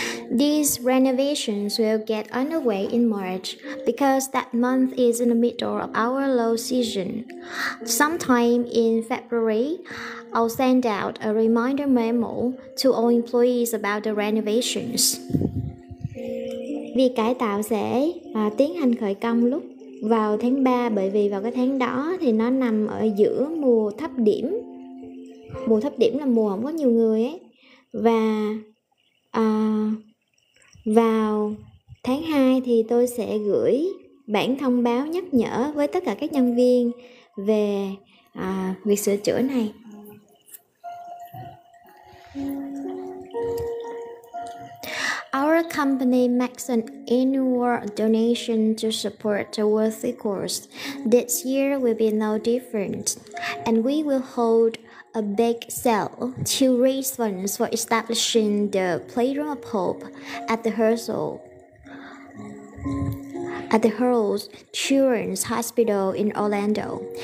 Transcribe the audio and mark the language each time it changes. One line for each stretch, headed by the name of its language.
English: These renovations will get underway in March because that month is in the middle of our low season. Sometime in February, I'll send out a reminder memo to all employees about the renovations.
Vietnamese: Việc cải tạo sẽ tiến hành khởi công lúc vào tháng 3, bởi vì vào cái tháng đó thì nó nằm ở giữa mùa thấp điểm. Mùa thấp điểm là mùa không có nhiều người ấy. Và vào tháng 2 thì tôi sẽ gửi bản thông báo nhắc nhở với tất cả các nhân viên về việc sửa chữa này.
English: Our company makes an annual donation to support the worthy course. This year will be no different, and we will hold a big sale to raise funds for establishing the Playroom of Hope at the Herzl, at the Herzl Children's Hospital in Orlando.